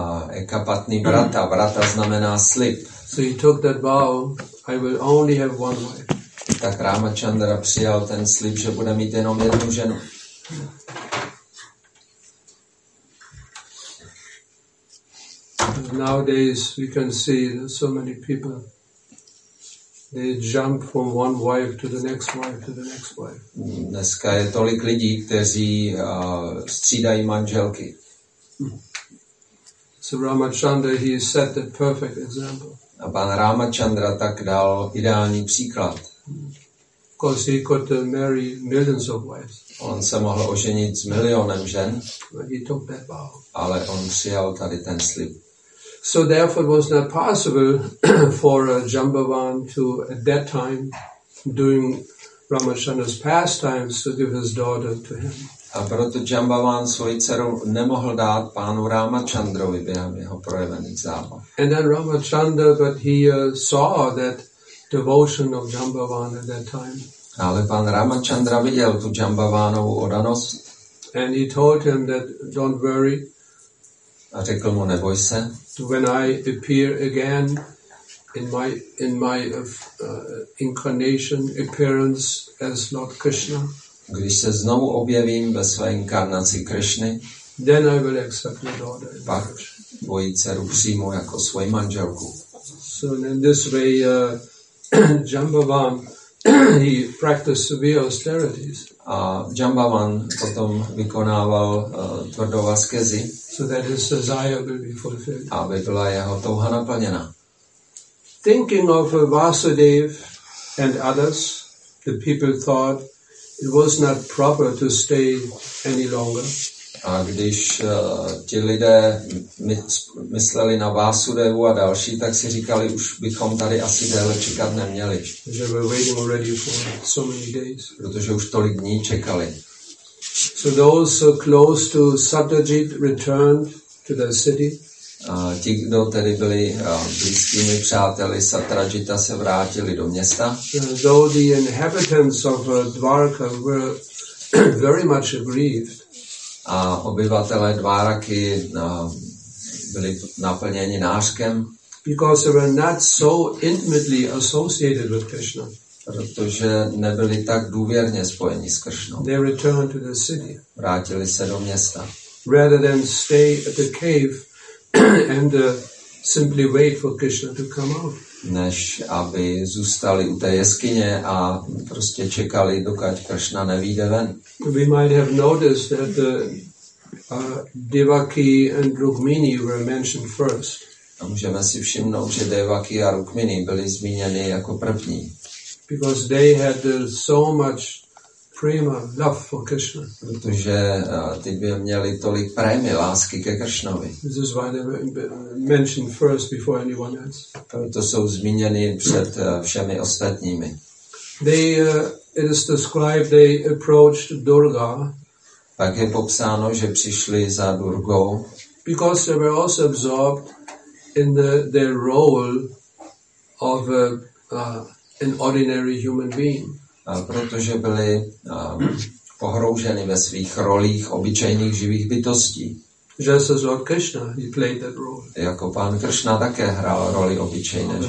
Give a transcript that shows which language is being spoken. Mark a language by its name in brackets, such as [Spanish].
[Czech] Ekapatní vrata, vrata znamená slib. [English] So he took that vow, I will only have one wife. [Czech] Tak Ramachandra přijal ten slib, že bude mít jenom jednu ženu. [English] Nowadays we can see so many people, they jump from one wife to the next wife to the next wife. [Czech] Dneska je tolik lidí, kteří střídají manželky. [English] So Ramachandra, he set the perfect example. [Czech] A pan Ramachandra tak dal ideální příklad. [English] Of course he could marry millions of wives. [Czech] On se mohl oženit s milionem žen, [English] but he took that vow. [Czech] Ale on přijal tady ten slib. [English] So therefore it was not possible for a Jambavan to at that time during Ramachandra's pastimes to give his daughter to him. [Czech] A proto Jambavan svoji dceru nemohl dát pánu Ramachandrovi během jeho projevených zábav. [English] And then Ramachandra, but he saw that devotion of Jambavan at that time. [Czech] Ale pán Ramachandra viděl tu Jambavanovu odanost. [English] And he told him that don't worry. [Czech] A řekl mu, neboj se. [English] When I appear again in my incarnation appearance as Lord Krishna, [Czech] když se znovu objevím ve své inkarnaci Krishny, [English] then I will accept your daughter. [Czech] Pak tvoji dceru přijmu jako svoji manželku. [English] So in this way, Jambavan he practiced severe austerities. [Czech] A Jambavan potom vykonával tvrdou askezi. [English] So that his desire will be fulfilled. [Czech] Aby byla jeho touha naplněna. [English] Thinking of Vasudev and others, the people thought it was not proper to stay any longer. [Czech] A když ti lidé mysleli na Vasudevu a další, tak si říkali, už bychom tady asi déle čekat neměli. [English] They were waiting already for so many days. [Czech] Protože už tolik dní čekali. [English] So those who close to Satyajit returned to their city. [Czech] Ti, kdo tedy byli blízkými přáteli Satyajita, se vrátili do města. [English] Though the inhabitants of Dvaraka were very much aggrieved. [Czech] A obyvatelé Dvaraky byli naplněni nářkem. [English] Because they were not so intimately associated with Krishna. [Czech] Protože nebyli tak důvěrně spojeni s Kršnou. [English] They returned to the city. [Czech] Vrátili se do města. [English] Rather than stay at the cave and simply wait for Krishna to come out. [Czech] Než aby zůstali u té jeskyně a prostě čekali, dokud Kršna nevyjde ven. [English] We might have noticed that Devaki and Rukmini were mentioned first. [Czech] A můžeme si všimnout, že Devaki a Rukmini byli zmíněni jako první. [English] Because they had so much prema, love for Krishna. [Czech] Protože ty by měli tolik prémy, lásky ke Kršnovi. [English] This is why they were mentioned first before anyone else. [Czech] Proto jsou zmíněni před všemi ostatními. [English] They, it is described, they approached Durga. [Czech] Pak je popsáno, že přišli za Durgou. [English] Because they were also absorbed in their role of an ordinary human being. [Czech] A protože byli pohrouženi ve svých rolích obyčejných živých bytostí. [English] Just as Lord Krishna, he played that role. [Czech] Jako pán Kršna také hrál roli obyčejné